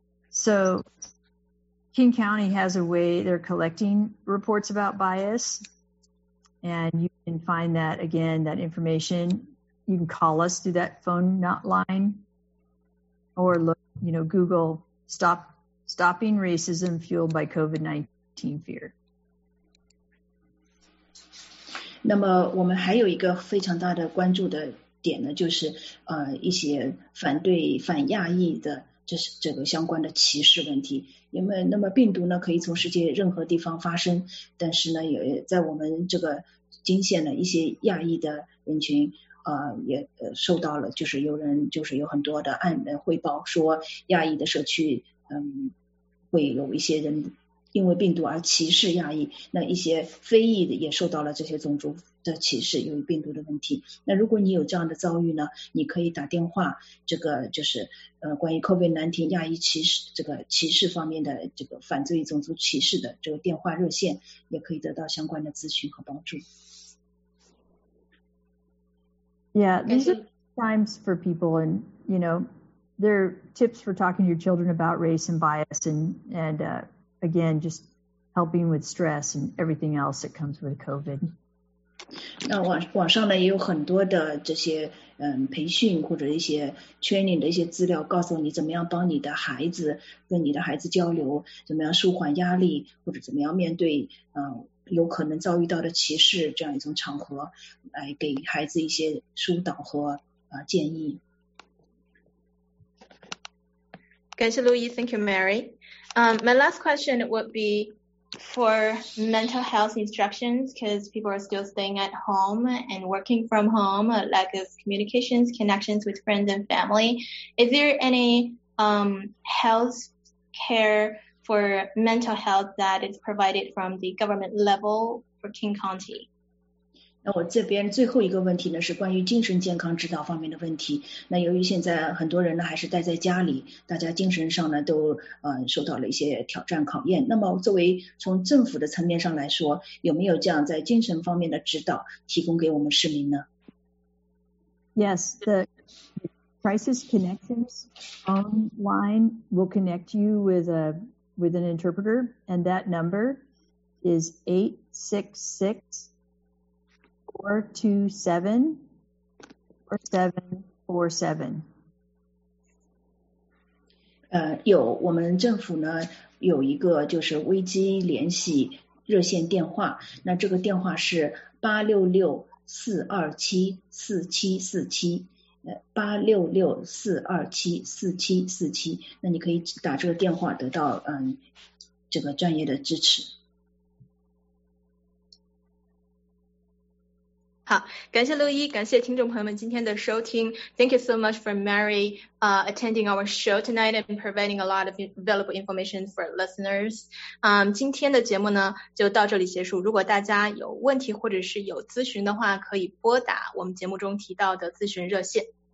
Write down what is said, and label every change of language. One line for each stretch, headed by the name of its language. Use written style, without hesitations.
English: So King County has a way they're collecting reports about bias. And you can find that again, that information. You can call us through that phone line or look, Google stopping racism fueled by COVID-19 fear.
Chinese: 那么我们还有一个非常大的关注的点呢，就是一些反亚裔的这个相关的歧视问题。因为那么病毒呢可以从世界任何地方发生，但是呢也在我们这个金县呢，一些亚裔的人群也受到了，就是有人就是有很多的案人汇报说亚裔的社区会有一些人。因为病毒而歧视亚裔，那一些非裔的也受到了这些种族的歧视，由于病毒的问题。那如果你有这样的遭遇呢，你可以打电话，这个就是关于 COVID-19 亚裔歧视这个歧视方面的这个反对种族歧视的这个电话热线，也可以得到相关的咨询和帮助。
English: Yeah, these are times for people, and they're tips for talking to your children about race and bias Again, just helping with stress and everything else that comes with COVID.
Chinese: 那网上呢也有很多的这些培训或者一些 training 的一些资料，告诉你怎么样帮你的孩子跟你的孩子交流，怎么样舒缓压力，或者怎么样面对有可能遭遇到的歧视这样一种场合，来给孩子一些疏导和建议。感谢
English: Louis, thank you, Mary. My last question would be for mental health instructions, because people are still staying at home and working from home, lack of communications, connections with friends and family. Is there any health care for mental health that is provided from the government level for King County?
Chinese: 那我这边最后一个问题呢，是关于精神健康指导方面的问题。那由于现在很多人呢还是待在家里，大家精神上呢都受到了一些挑战考验。那么作为从政府的层面上来说，有没有这样在精神方面的指导提供给我们市民呢？
English: Yes, the crisis connections online will connect you with an interpreter, and that number is 866-427-4747.
Chinese: 有我们政府呢有一个就是危机联系热线电话，那这个电话是866-427-4747，866-427-4747，那你可以打这个电话得到这个专业的支持。好，感谢陆一，感谢听众朋友们今天的收听。
English: Thank you so much for Mary attending our show tonight and providing a lot of valuable information for listeners.
Chinese: 今天的节目呢就到这里结束。如果大家有问题或者是有咨询的话，可以拨打我们节目中提到的咨询热线。